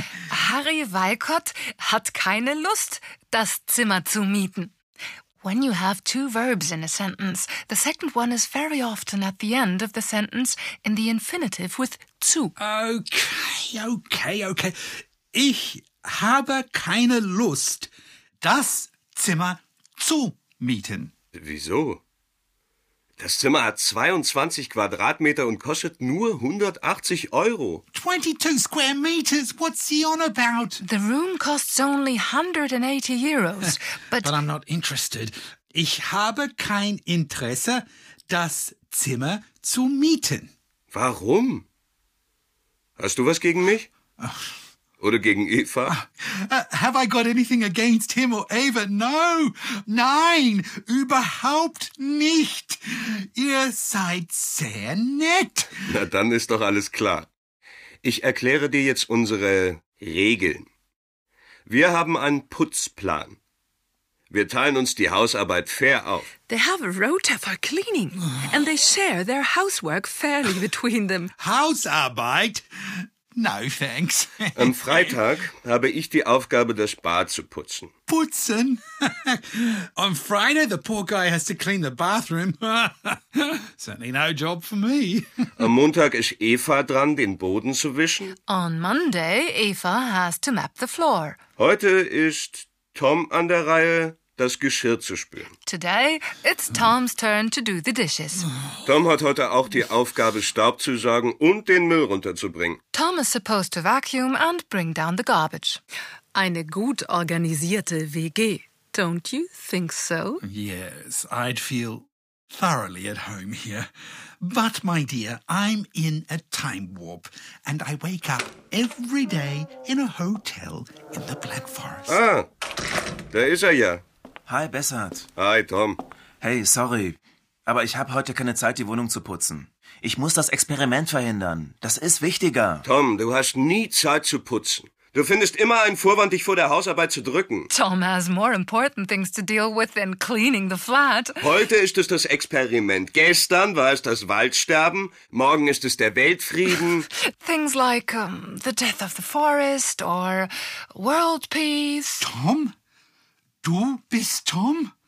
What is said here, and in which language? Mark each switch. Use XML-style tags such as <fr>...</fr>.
<de>Harry Walcott hat keine Lust, das Zimmer zu mieten.</de> <en>When you have two verbs in a sentence, the second one is very often at the end of the sentence in the infinitive with zu. Okay, okay, okay.</en> <de>Ich habe keine Lust, das Zimmer zu mieten. Wieso? Das Zimmer hat 22 Quadratmeter und kostet nur 180 Euro.</de> <en>22 square meters? What's he on about? The room costs only 180 euros, but... But I'm not interested.</en> <de>Ich habe kein Interesse, das Zimmer zu mieten. Warum? Hast du was gegen mich? Oder gegen Eva?</de> <en>Have I got anything against him or Eva? No,</en> <de>nein, überhaupt nicht. Ihr seid sehr nett. Na, dann ist doch alles klar. Ich erkläre dir jetzt unsere Regeln. Wir haben einen Putzplan. Wir teilen uns die Hausarbeit fair auf.</de> <en>They have a rota for cleaning and they share their housework fairly between them. Hausarbeit? No, thanks.</en> <de>Am Freitag habe ich die Aufgabe, das Bad zu putzen. Putzen?</de> <en>On Friday the poor guy has to clean the bathroom. Certainly no job for me.</en> <de>Am Montag ist Eva dran, den Boden zu wischen.</de> <en>On Monday Eva has to mop the floor.</en> <de>Heute ist Tom an der Reihe, das Geschirr zu spülen.</de> <en>Today it's Tom's turn to do the dishes.</en> <de>Tom hat heute auch die Aufgabe, Staub zu saugen und den Müll runterzubringen.</de> <en>Tom is supposed to vacuum and bring down the garbage.</en> <de>Eine gut organisierte WG,</de> <en>don't you think so? Yes, I'd feel thoroughly at home here. But, my dear, I'm in a time warp and I wake up every day in a hotel in the Black Forest.</en> <de>Ah, da ist er ja. Hi, Bessert. Hi, Tom. Hey, sorry, aber ich habe heute keine Zeit, die Wohnung zu putzen. Ich muss das Experiment verhindern. Das ist wichtiger. Tom, du hast nie Zeit zu putzen. Du findest immer einen Vorwand, dich vor der Hausarbeit zu drücken.</de> <en>Tom has more important things to deal with than cleaning the flat.</en> <de>Heute ist es das Experiment. Gestern war es das Waldsterben. Morgen ist es der Weltfrieden.</de> <en>Things like the death of the forest or world peace.</en> <de>Tom? Du bist Tom?</de>